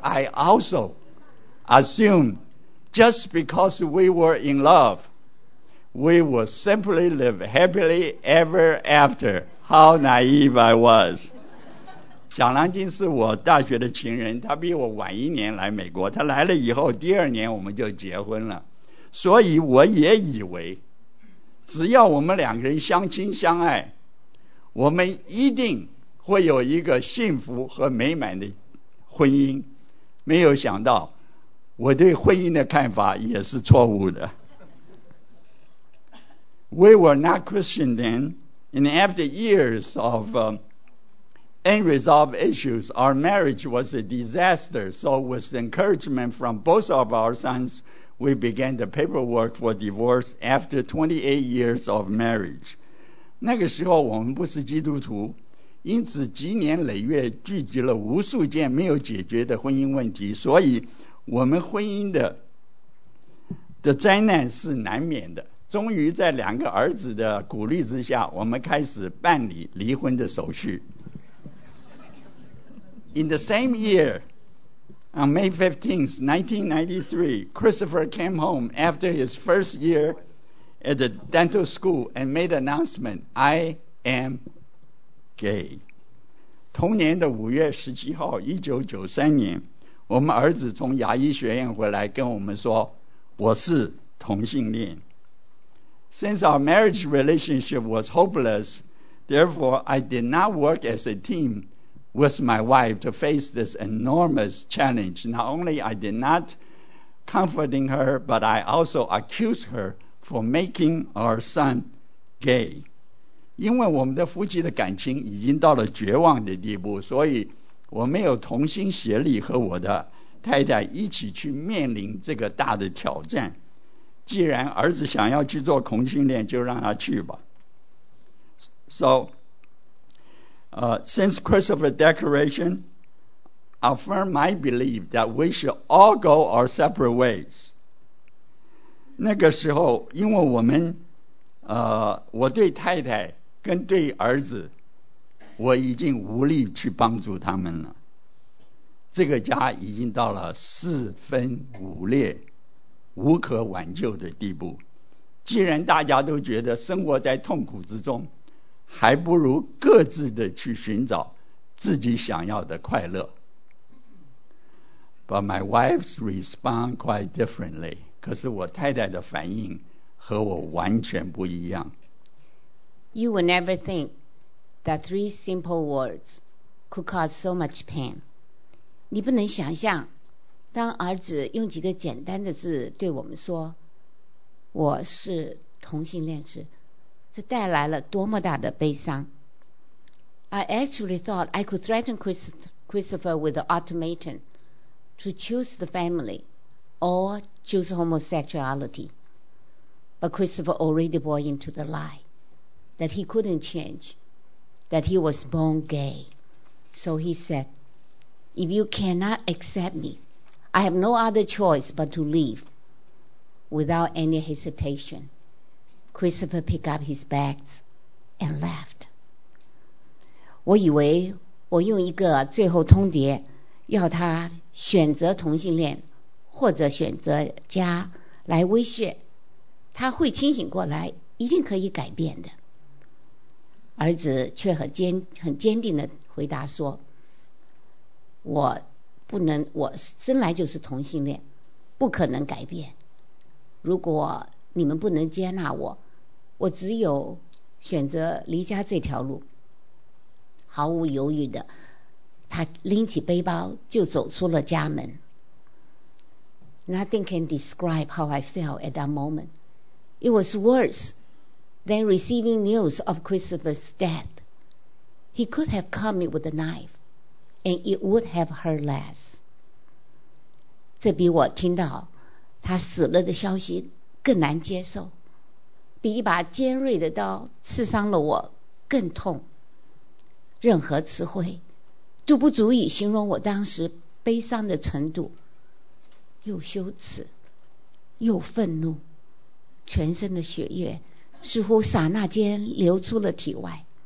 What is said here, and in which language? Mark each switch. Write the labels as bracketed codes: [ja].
[en] I also assumed just because we were in love, we would simply live happily ever after. How naive I was. [zh] 蒋兰金是我大学的情人，她比我晚一年来美国，她来了以后第二年我们就结婚了。所以我也以为只要我们两个人相亲相爱，我们一定会有一个幸福和美满的婚姻。没有想到我对婚姻的看法也是错误的。 [en] We were not Christian then, and after years of unresolved issues, our marriage was a disaster. So with encouragement from both of our sons, we began the paperwork for divorce after 28 years of marriage. [zh] 那个时候我们不是基督徒，因此几年累月聚集了无数件没有解决的婚姻问题，所以我们婚姻的灾难是难免的。终于在两个儿子的鼓励之下，我们开始办理离婚的手续。 [en] In the same year, on May 15th, 1993, Christopher came home after his first year at the dental school and made an announcement, I am gay. [zh] 同年的5月17号 ,1993 年，我们儿子从牙医学院回来跟我们说，我是同性恋。 [en] Since our marriage relationship was hopeless, therefore I did not work as a team with my wife to face this enormous challenge. Not only I did not comforting her, but I also accused her for making our son gay. [zh] 因为我们的夫妻的感情已经到了绝望的地步，所以我没有同心协力和我的太太一起去面临这个大的挑战。既然儿子想要去做同性恋，就让他去吧。 [en] So since Christopher's declaration affirmed my belief that we should all go our separate ways. [zh] 那个时候因为我们我对太太跟对儿子我已经无力去帮助他们了，这个家已经到了四分五裂无可挽救的地步。既然大家都觉得生活在痛苦之中，还不如各自的去寻找自己想要的快乐。 [en] But my wife's respond quite differently. [zh] 可是我太太的反应和我完全不一样。 [en] You would never think that three simple words could cause so much pain. [zh] 你不能想象当儿子用几个简单的字对我们说我是同性恋时，这带来了多么大的悲伤。 [en] I actually thought I could threaten Christopher with the ultimatum to choose the family or choose homosexuality. But Christopher already bought into the lie. That he couldn't change, that he was born gay. So he said, if you cannot accept me, I have no other choice but to leave. Without any hesitation, Christopher picked up his bags and left. [zh] 我以为我用一个最后通牒要他选择同性恋或者选择家来威胁他会清醒过来，一定可以改变的。儿子却很坚定地回答说，我不能，我生来就是同性恋，不可能改变。如果你们不能接纳我，我只有选择离家这条路。毫无犹豫的，他拎起背包就走出了家门。 [en] Nothing can describe how I felt at that moment. It was worse than receiving news of Christopher's death. He could have cut me with a knife, and it would have hurt less. [zh] 这比我听到他死了的消息更难接受，比一把尖锐的刀刺伤了我更痛。任何词汇都不足以形容我当时悲伤的程度，又羞耻又愤怒，全身的血液似乎刹那间流出了体外。